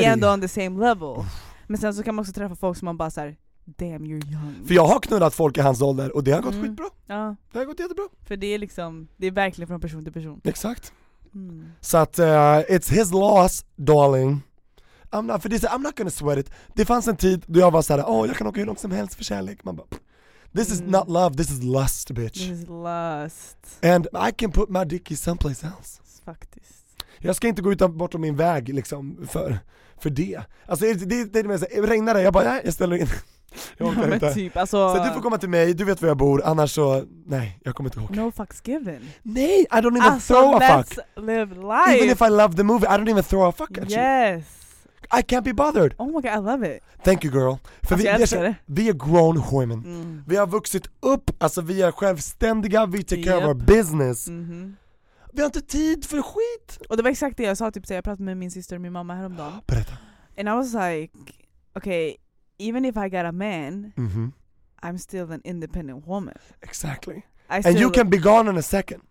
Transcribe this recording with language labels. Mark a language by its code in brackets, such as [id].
[sv] Vi är ändå [en] on the same level. [sv] Men sen så kan man också träffa folk som man bara så här, [en] damn, you're young. [sv] För jag har knullat folk i hans ålder och det har gått skitbra. Ja. Det har gått jättebra. För det är liksom, det är verkligen från person till person. Exakt. Så att, [en] it's his loss, darling. I'm not gonna sweat it. [sv] Det fanns en tid då jag var såhär, åh, jag kan åka hur långt som helst för kärlek. Man bara, [en] this is not love, this is lust, bitch. This is lust. And I can put my dick someplace else. [sv] Faktiskt. Jag ska inte gå utan bortom min väg liksom för det. Alltså det är med såhär, regnar det, jag bara, jag ställer in. Jag åker inte. Typ, alltså, så du får komma till mig, du vet var jag bor, annars så, nej, jag kommer inte åka. [en] No fucks given. Nej, I don't even alltså, throw a fuck. Live life. Even if I love the movie, I don't even throw a fuck at yes. you. Yes. I can't be bothered. Oh my god, I love it. Thank you, girl. [sv] För vi är grown women. Vi har vuxit upp. Alltså vi är självständiga. [en] Vi take care of our business. Mm-hmm. [sv] Vi har inte tid för skit. Och det var exakt det jag sa. Typ, så jag pratade med min syster och min mamma häromdagen. Berätta. [en] And I was like, okay, even if I got a man, I'm still an independent woman. Exactly. And you can be gone in a second.